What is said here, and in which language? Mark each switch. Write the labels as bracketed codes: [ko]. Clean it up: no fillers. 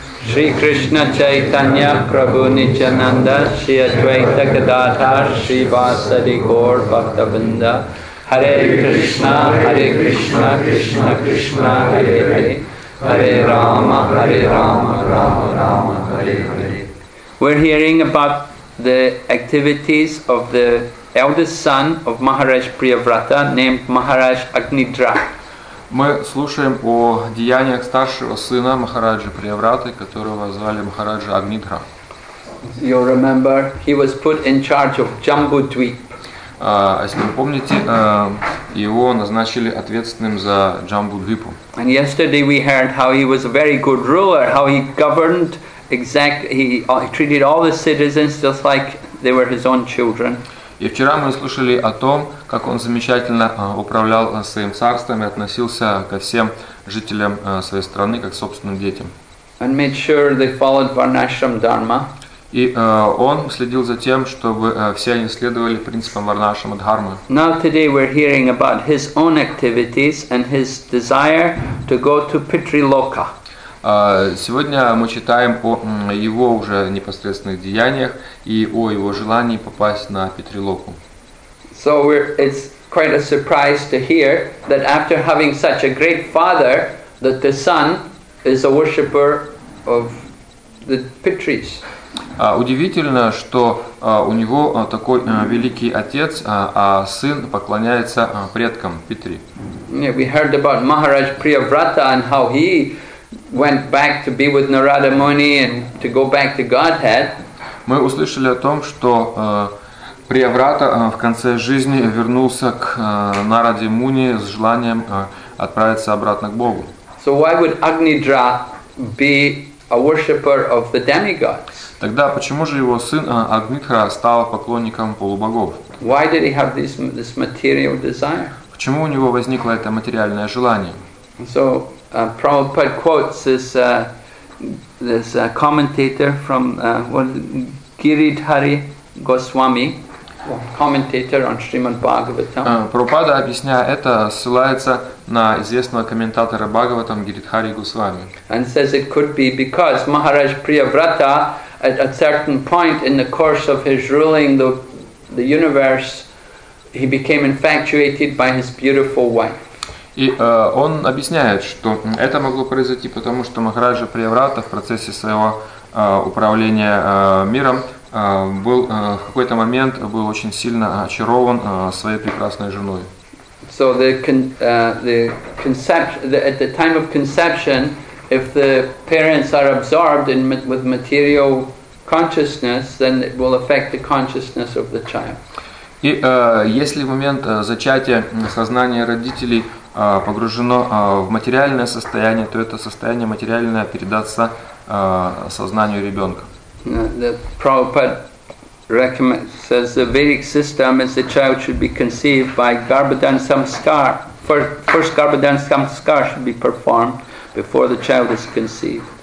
[sa] шри кришна чайтанья прабу ничананда шри адвайта гадатар шри васади гор бхактавинда харе кришна кришна кришна харе харе [en] We're hearing about the activities of the eldest son of Maharaj Priyavrata named Maharaj Agnidra. [ru] Мы слушаем о деяниях старшего сына Махараджи Приявраты, которого звали Махараджа Агнидра. [en] You remember he was put in charge of Jambudvip. [ru] Если вы помните, его назначили ответственным за Джамбудвипу. [en] And yesterday we heard how he was a very good ruler, how he governed he treated all the citizens just like they were his own children. [ru] И вчера мы слышали о том, как он замечательно управлял своим царством и относился ко всем жителям своей страны как к собственным детям. [en] And made sure they followed Varnashram Dharma. [ru] И он следил за тем, чтобы все они следовали принципам Варнашрама Дхармы. [en] Now today we're hearing about his own activities and his desire to go to Pitriloka. [ru] Сегодня мы читаем о его уже непосредственных деяниях и о его желании попасть на Питрилоку. [en] So it's quite a surprise to hear that after having such a great father, that the son is a worshipper of the Pitris. [ru] Удивительно, что у него такой великий отец, а сын поклоняется предкам Питри. [en] Yeah, we heard about Maharaj Priyavrata and how he went back to be with Narada Muni and to go back to Godhead. [ru] Мы услышали о том, что Приаврата в конце жизни вернулся к Нараде Муни с желанием отправиться обратно к Богу. [en] So why would Agnidra be a worshipper of the demigods? [ru] Тогда почему же его сын Агнитра стал поклонником полубогов? [en] Why did he have this material desire? [ru] Почему у него возникло это материальное желание? [en] So, Prabhupada quotes this commentator from Giridhari Goswami, commentator on Srimad Bhagavatam. [ru] Prabhupada, объясняя это, ссылается на известного комментатора Бхагаватам Гиридхари Госвами. [en] And says it could be because Maharaj Priyavrata at a certain point in the course of his ruling the universe, he became infatuated by his beautiful wife. [ru] И он объясняет, что это могло произойти, потому что Махараджа Приаврата в процессе своего управления миром был в какой-то момент был очень сильно очарован своей прекрасной женой. [en] So at the time of conception, if the parents are absorbed in with material consciousness, then it will affect the consciousness of the child. [ru] И если в момент зачатия сознание родителей погружено в материальное состояние, то это состояние материальное передастся сознанию ребенка. [en] The Prabhupada says the Vedic system is the child should be conceived by Garbhadhan Samskar. First Garbhadhan Samskar should be performed before the child is conceived.